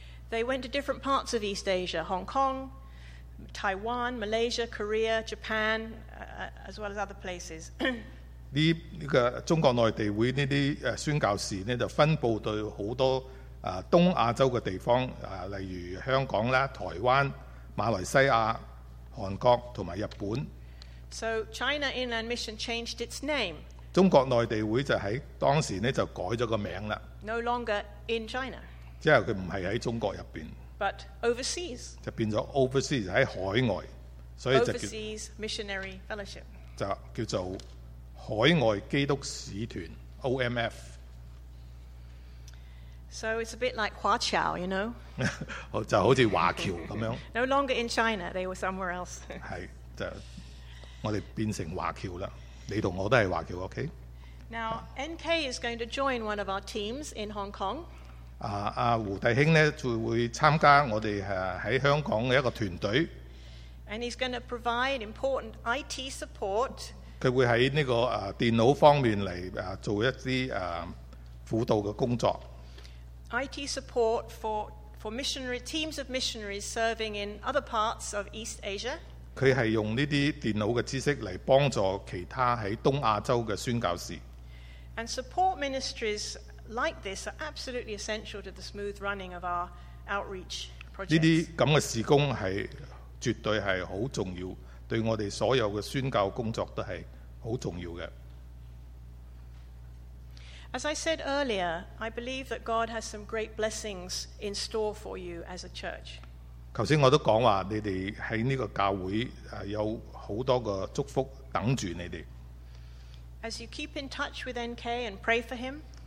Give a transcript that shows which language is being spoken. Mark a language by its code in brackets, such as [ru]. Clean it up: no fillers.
[en] They went to different parts of East Asia, Hong Kong, Taiwan, Malaysia, Korea, Japan, as well as other places. [yue] 呢個中國內地會呢啲宣教士咧就分佈到好多東亞洲嘅地方例如香港啦、台灣、馬來西亞、韓國同埋日本。 [en] So China Inland Mission changed its name. [yue] 中國內地會就喺當時咧就改咗個名啦。 [en] No longer in China. [yue] 即係佢唔係喺中國入邊。 [en] But overseas. [yue] 就變咗 overseas 喺海外，所以就叫 [en] overseas missionary fellowship. [yue] 就叫做海外基督使團 OMF。 [en] So it's a bit like Hua Chao, you know. [yue] 就好似華僑咁樣。 [en] No longer in China, they were somewhere else. [yue] 係就我哋變成華僑啦，你同我都係華僑 ，OK？ [en] Now NK is going to join one of our teams in Hong Kong. [yue] 胡弟兄咧就會參加我哋喺香港嘅一個團隊。 [en] And he's going to provide important IT support. [yue] 佢會喺呢個電腦方面嚟做一啲輔導嘅工作。 [en] IT support for missionary teams of missionaries serving in other parts of East Asia. [yue] 佢係用呢啲電腦嘅知識嚟幫助其他喺東亞洲嘅宣教士。 [en] And support ministries like this are absolutely essential to the smooth running of our outreach projects. [yue] 呢啲咁嘅事工係絕對係好重要，對我哋所有嘅宣教工作都係好重要嘅。 [en] As I said earlier, I believe that God has some great blessings in store for you as a church. [yue] 剛才我都講話，你哋喺呢個教會有好多個祝福等住你哋。 [en] As you keep in touch with NK and pray for him,